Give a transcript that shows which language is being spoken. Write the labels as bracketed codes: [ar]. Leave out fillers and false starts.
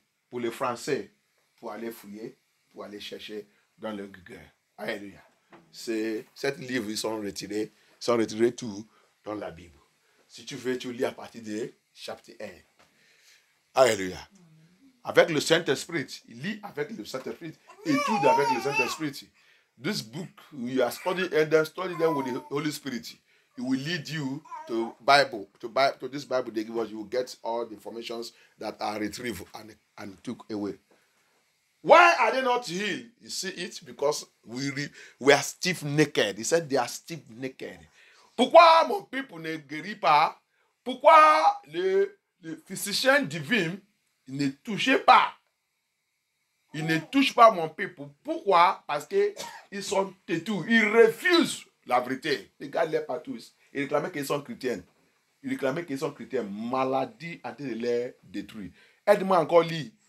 [fr] Pour le français, pour aller fouiller, pour aller chercher dans le Google. Alléluia. Cet livre, ils sont retirés tout dans la Bible. Si tu veux, tu lis à partir de chapitre 1. Alléluia. Avec le Saint-Esprit, il lit avec le Saint-Esprit, étudie avec le Saint-Esprit. [en] This book, you are studying and then study them with the Holy Spirit. It will lead you to Bible, to this Bible they give us. You will get all the informations that are retrieved and took away. Why are they not healed? You see it? Because we are stiff-necked. He said they are stiff-necked. [fr] Pourquoi mon peuple ne guérit pas? Pourquoi le physicien divin Il ne touche pas mon peuple. Pourquoi? Parce qu'ils sont têtus. Ils refusent la vérité. Regarde-les pas tous. Ils réclamaient qu'ils sont chrétiens. Maladie a été les détruit. Aide-moi encore, lis.